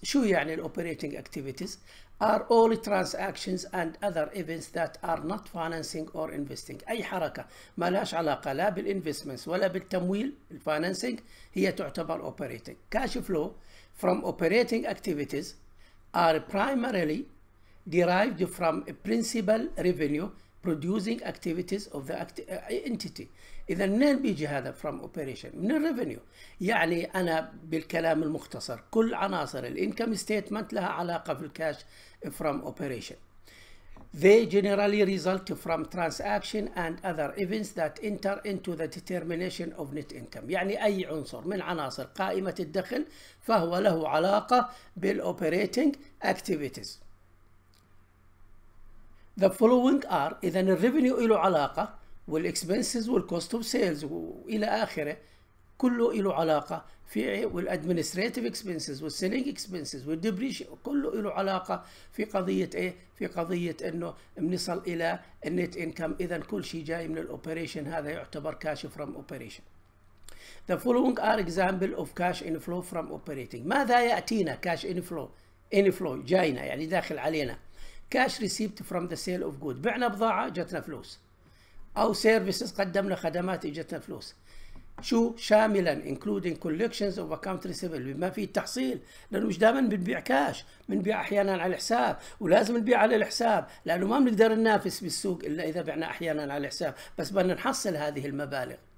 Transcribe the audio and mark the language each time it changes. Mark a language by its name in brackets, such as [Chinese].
[Arabic] شو يعني الـ [English] operating activities؟ Are all transactions and other events that are not financing or investing. [Arabic] أي حركة ما لهاش علاقة لا بالinvestments ولا بالتمويل الفاينانسينج هي تعتبر operating. [English] Cash flow from operating activities are primarily derived from principal revenue producing activities of the entity. [Arabic] إذا منين بيجي هذا [English] from operation؟ [Arabic] من الريفينيو. يعني أنا بالكلام المختصر كل عناصر الانكم ستيتمنت لها علاقة في الكاش from operation. [English] They generally result from transaction and other events that enter into the determination of net income. [Arabic] يعني أي عنصر من عناصر قائمة الدخل فهو له علاقة بالoperating activities. [English] The following are، [Arabic] إذن الريفينيو له علاقة والاكسبنسز والكوست اوف سيلز والى اخره كله له علاقه في، والادمنستريتيف اكسبنسز والسيلينج اكسبنسز والديبريشن كله له علاقه في قضيه ايه؟ في قضيه انه بنصل الى النت انكم. اذا كل شيء جاي من الاوبريشن هذا يعتبر كاش فروم اوبريشن. [English] The following are example of cash inflow from operating. [Arabic] ماذا ياتينا كاش انفلو؟ انفلو جاينا يعني داخل علينا. [English] Cash received from the sale of goods. [Arabic] بعنا بضاعه جاتنا فلوس. أو services قدمنا خدمات إجتنا فلوس. شو شاملا [English] including collections of account receivable [Arabic] بما فيه التحصيل، لأنه مش دائما بنبيع كاش، بنبيع أحيانا على الحساب ولازم نبيع على الحساب لأنه ما بنقدر ننافس بالسوق إلا إذا بعنا أحيانا على الحساب، بس بدنا نحصل هذه المبالغ.